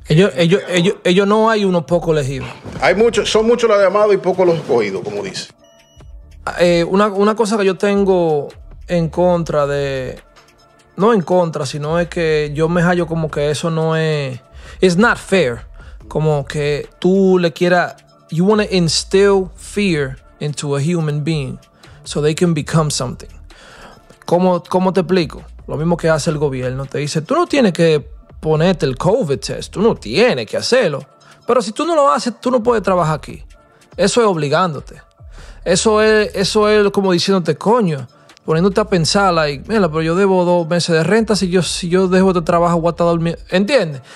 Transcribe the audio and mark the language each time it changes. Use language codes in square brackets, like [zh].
[es] Ellos no hay unos pocos elegidos. Hay muchos, son muchos los llamados y pocos los escogidos, como dice. Una cosa que yo tengo en contra de... No en contra, sino es que yo me hallo como que eso no es... [en] It's not fair. [es] Como que tú le quieras... [en] You want to instill fear into a human being so they can become something. [es] ¿Cómo te explico? Lo mismo que hace el gobierno. Te dice, tú no tienes que ponerte el COVID test. Tú no tienes que hacerlo. Pero si tú no lo haces, tú no puedes trabajar aquí. Eso es obligándote. Eso es como diciéndote, coño, poniéndote a pensar, like, mira, pero yo debo 2 meses de renta, si yo dejo este trabajo, voy a estar durmiendo. ¿Entiendes?